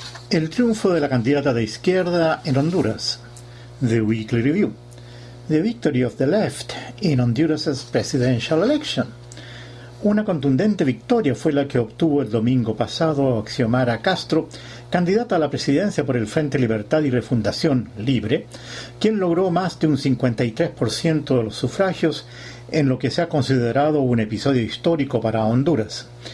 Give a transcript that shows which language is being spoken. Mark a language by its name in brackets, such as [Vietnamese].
[Spanish] El triunfo de la candidata de izquierda en Honduras. [English] The Weekly Review. The victory of the left in Honduras's presidential election. [Spanish] Una contundente victoria fue la que obtuvo el domingo pasado Xiomara Castro, candidata a la presidencia por el Frente Libertad y Refundación Libre, quien logró más de un 53% de los sufragios en lo que se ha considerado un episodio histórico para Honduras.